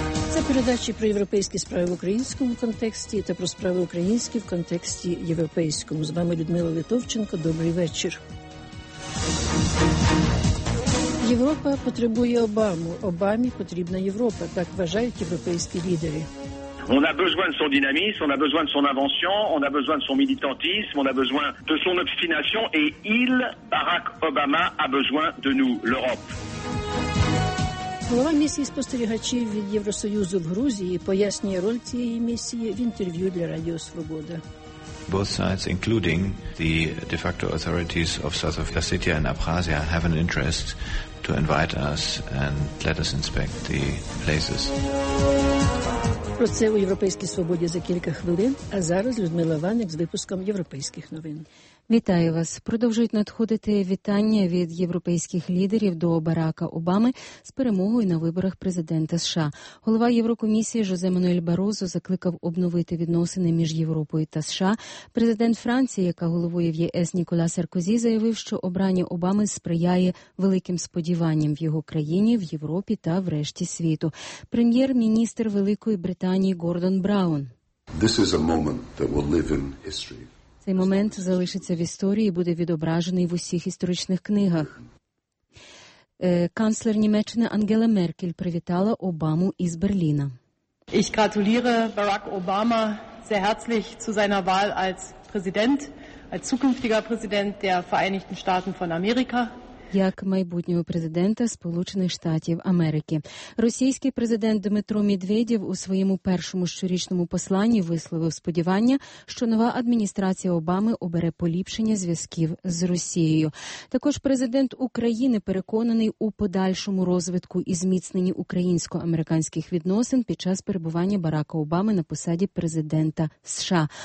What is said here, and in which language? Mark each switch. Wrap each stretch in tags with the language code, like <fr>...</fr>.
<uk>Це передачі про європейські справи в українському контексті та про справи українські в контексті європейському. З вами Людмила Литовченко. Добрий вечір. Європа потребує Обаму. Обамі потрібна Європа. Так вважають європейські лідери.</uk> <fr>On a besoin de son dynamisme, on a besoin de son invention, on a besoin de son militantisme, on a besoin de son obstination et il, Barack Obama, a besoin de nous, l'Europe.</fr> <uk>Голова місії спостерігачів від Євросоюзу в Грузії пояснює роль цієї місії в інтерв'ю для Радіо Свобода.</uk> <en>Both sides, including the de facto authorities of South Ossetia and Abkhazia, have an interest to invite us and let us inspect the places.</en> <uk>Про це у Європейській Свободі за кілька хвилин, а зараз Людмила Ваник з випуском європейських новин. Вітаю вас. Продовжують надходити вітання від європейських лідерів до Барака Обами з перемогою на виборах президента США. Голова Єврокомісії Жозе Мануель Барозо закликав обновити відносини між Європою та США. Президент Франції, яка головує в ЄС Нікола Саркозі, заявив, що обрання Обами сприяє великим сподіванням в його країні, в Європі та врешті світу. Прем'єр-міністр Великої Британії Гордон Браун.</uk> <en>This is a moment that will live in history.</en> <uk>Цей момент залишиться в історії і буде відображений в усіх історичних книгах. Канцлер Німеччини Ангела Меркель привітала Обаму із Берліна.</uk> <de>Ich gratuliere Barack Obama sehr herzlich zu seiner Wahl als Präsident, als zukünftiger Präsident der Vereinigten Staaten von Amerika.</de> <uk>Як майбутнього президента Сполучених Штатів Америки. Російський президент Дмитро Медведєв у своєму першому щорічному посланні висловив сподівання, що нова адміністрація Обами обере поліпшення зв'язків з Росією. Також президент України переконаний у подальшому розвитку і зміцненні українсько-американських відносин під час перебування Барака Обами на посаді президента США.</uk>